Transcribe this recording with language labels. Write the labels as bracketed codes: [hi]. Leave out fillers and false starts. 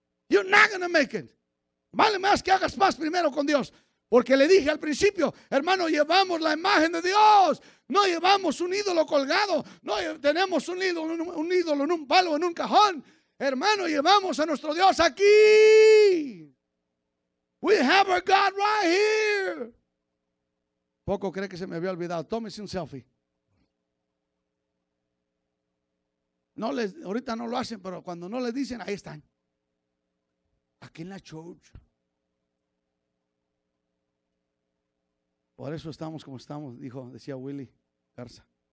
[en] You're not gonna make it. [es] Vale más que hagas paz primero con Dios. Porque le dije al principio, hermano, llevamos la imagen de Dios. No llevamos un ídolo colgado. No tenemos un ídolo en un palo, en un cajón. Hermano, llevamos a nuestro Dios aquí. [en] We have our God right here. [es] Poco cree que se me había olvidado. Tómese un selfie. No les, ahorita no lo hacen, pero cuando no les dicen, ahí están. Aquí en la church. Por eso estamos como estamos, dijo, decía Willy Garza.